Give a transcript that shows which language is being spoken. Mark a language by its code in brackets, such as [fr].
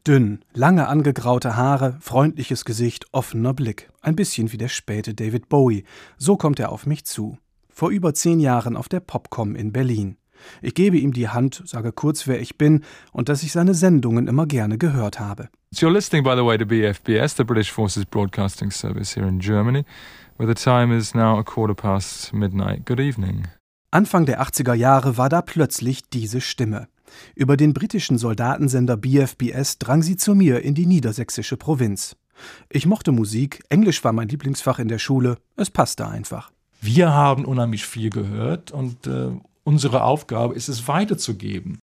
[de] Dünn, lange angegraute Haare, freundliches Gesicht, offener Blick. Ein bisschen wie der späte David Bowie. So kommt er auf mich zu. Vor über 10 Jahren auf der Popcom in Berlin. Ich gebe ihm die Hand, sage kurz, wer ich bin und dass ich seine Sendungen immer gerne gehört habe. [en] So you're listening, by the way, to BFBS, the British Forces Broadcasting Service here in Germany, where the time is now 12:15. Good evening. [de] Anfang der 80er Jahre war da plötzlich diese Stimme. Über den britischen Soldatensender BFBS drang sie zu mir in die niedersächsische Provinz. Ich mochte Musik, Englisch war mein Lieblingsfach in der Schule, es passte einfach. Wir haben unheimlich viel gehört und unsere Aufgabe ist es, weiterzugeben.